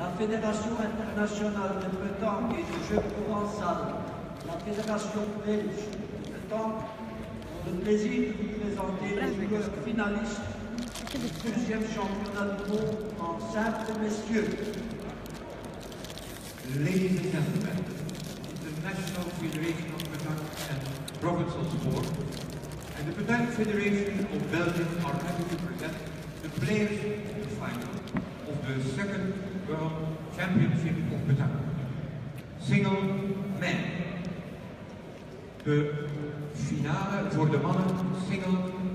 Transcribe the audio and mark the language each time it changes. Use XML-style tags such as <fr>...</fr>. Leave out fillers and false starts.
<fr>Fédération internationale de pétanque et du jeu provençal, la Fédération belge de pétanque, ont le plaisir de vous présenter les joueurs finalistes du 2e championnat du monde en simple messieurs.</fr> <en>Ladies and gentlemen, the National Federation of Pétanque and Provençal Sport and the Pétanque Federation of Belgium are happy to present the players in the final of the second World Championship of Pétanque. Single men.</en> <nl>De finale voor de mannen, single.</nl>